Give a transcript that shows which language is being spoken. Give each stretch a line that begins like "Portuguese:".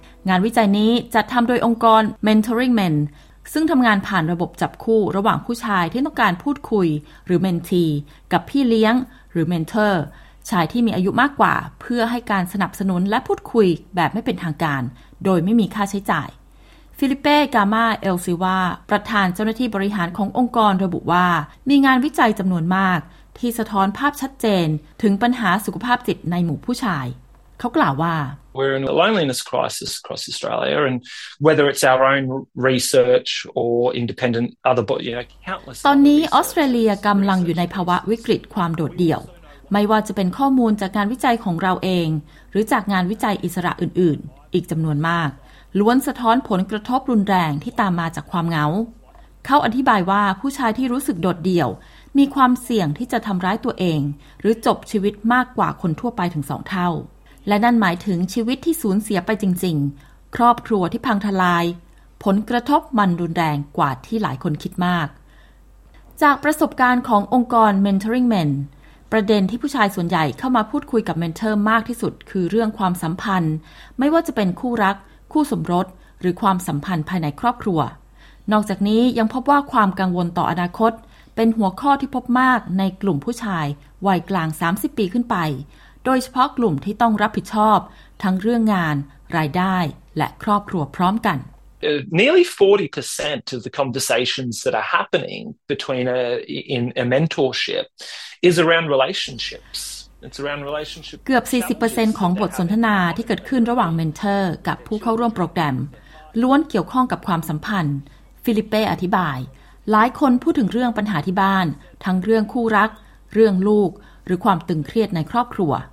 Thai: งานวิจัยนี้จัดทำโดยองค์กร Mentoring Men ซึ่งทำงานผ่านระบบจับคู่ระหว่างผู้ชายที่ต้องการพูดคุยหรือ Mentee กับพี่เลี้ยงหรือ Mentor ชายที่มีอายุมากกว่าเพื่อให้การสนับสนุนและพูดคุยแบบไม่เป็นทางการโดยไม่มีค่าใช้จ่ายฟิลิเป้กามาเอลซิวาประธานเจ้าหน้าที่บริหารขององค์กรระบุว่ามีงานวิจัยจำนวนมากที่สะท้อนภาพชัดเจนถึงปัญหาสุขภาพจิตในหมู่ผู้ชายเขากล่าวว่า
English: We're in a loneliness crisis across Australia, and whether it's our own research or independent other, you know, countless.
Thai: ตอนนี้ออสเตรเลียกำลังอยู่ในภาวะวิกฤตความโดดเดี่ยวไม่ว่าจะเป็นข้อมูลจากการวิจัยของเราเองหรือจากงานวิจัยอิสระอื่นๆอีกจำนวนมากล้วนสะท้อนผลกระทบรุนแรงที่ตามมาจากความเหงาเขาอธิบายว่าผู้ชายที่รู้สึกโดดเดี่ยวมีความเสี่ยงที่จะทำร้ายตัวเองหรือจบชีวิตมากกว่าคนทั่วไปถึง2เท่าและนั่นหมายถึงชีวิตที่สูญเสียไปจริงๆครอบครัวที่พังทลายผลกระทบมันรุนแรงกว่าที่หลายคนคิดมาก จากประสบการณ์ขององค์กร Mentoring Men ประเด็นที่ผู้ชายส่วนใหญ่เข้ามาพูดคุยกับเมนเทอร์มากที่สุดคือเรื่องความสัมพันธ์ไม่ว่าจะเป็นคู่รักคู่สมรสหรือความสัมพันธ์ภายในครอบครัวนอกจากนี้ยังพบว่าความกังวลต่ออนาคตเป็นหัวข้อที่พบมากในกลุ่มผู้ชายวัยกลาง30ปีขึ้นไปโดยเฉพาะกลุ่มที่ต้องรับผิดชอบทั้งเรื่องงานรายได้และครอบครัวพร้อมกัน
English: Nearly 40% of the conversations that are happening between a mentorship is around relationships. It's around relationships.
Thai: เกือบ 40% ของบทสนทนาที่เกิดขึ้นระหว่างเมนเทอร์กับผู้เข้าร่วมโปรแกรมล้วนเกี่ยวข้องกับความสัมพันธ์ฟิลิเป้อธิบายหลายคนพูดถึงเรื่องปัญหาที่บ้านทั้งเรื่องคู่รักเรื่องลูกหรือความตึงเครียดในครอบครัว